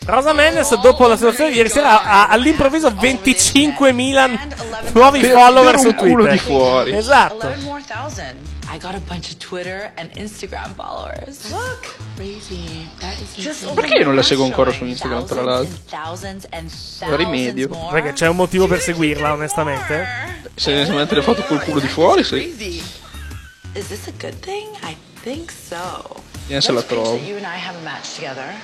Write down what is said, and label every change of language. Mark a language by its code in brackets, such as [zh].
[it] Rosa Mendes, dopo la situazione di ieri sera, ha all'improvviso 25,000 nuovi follower su Twitter. Per un culo di fuori. Esatto. [en] 11,000 more. I got a bunch of Twitter and Instagram followers. Look, crazy. That is just insane. [it] Perché io non la seguo ancora su Instagram, tra l'altro? Rimedio. Perché c'è un motivo per seguirla, onestamente. Se ne mette le foto col culo di fuori, sì. [en] Is this a good thing? I think so. [it] Io se la trovo. [en] You and I have a match together.